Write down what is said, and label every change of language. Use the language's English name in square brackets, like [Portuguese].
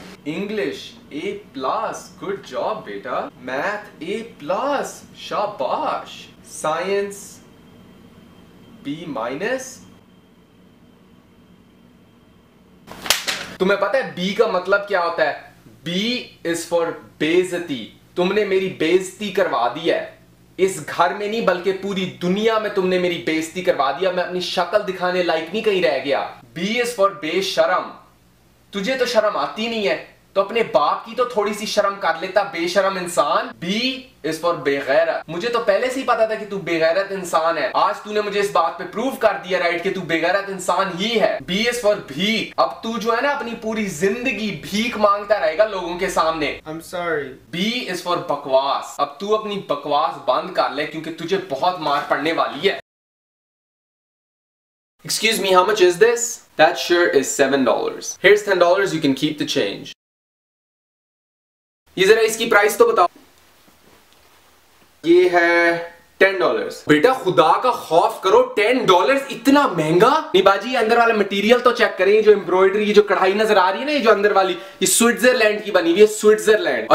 [English] English, A plus. Good job, beta. Math, A plus. Shabash. Science, B minus. [Hindi] तुम्हें पता है B का मतलब क्या होता है? [English] B is for बेइज्जती. [Hindi] तुमने मेरी बेइज्जती करवा दी है. इस घर में नहीं बल्कि पूरी दुनिया में तुमने मेरी बेइज्जती करवा दिया. मैं अपनी शक्ल दिखाने लायक नहीं कहीं रह गया. B is for बेशरम. तुझे तो शर्म आती नहीं है. तो अपने बाप की तो थोड़ी सी शर्म कर लेता बेशरम इंसान. B is for बेगैरत. मुझे तो पहले से ही पता था कि तू बेगैरत इंसान है. आज तूने मुझे इस बात पे प्रूव कर दिया राइट कि तू बेगैरत इंसान ही है. बी इज फॉर भीख. अब तू जो है ना अपनी पूरी जिंदगी भीख मांगता रहेगा लोगों के सामने. [English] I'm sorry. B is for बकवास. [Hindi] अब तू अपनी बकवास बंद कर ले क्योंकि तुझे बहुत मार पड़ने वाली है. [English] Excuse me, how much is this? That shirt is $7. Here's $10, you can keep the change. [Hindi] ये जरा इसकी प्राइस तो बताओ. ये है $10. बेटा खुदा का खौफ करो, $10 इतना महंगा. निबाजी अंदर वाला मटेरियल तो चेक करें, जो एम्ब्रॉयडरी, ये जो कढ़ाई नजर आ रही है ना, ये जो अंदर वाली, ये स्विट्जरलैंड की बनी हुई है, स्विट्जरलैंड.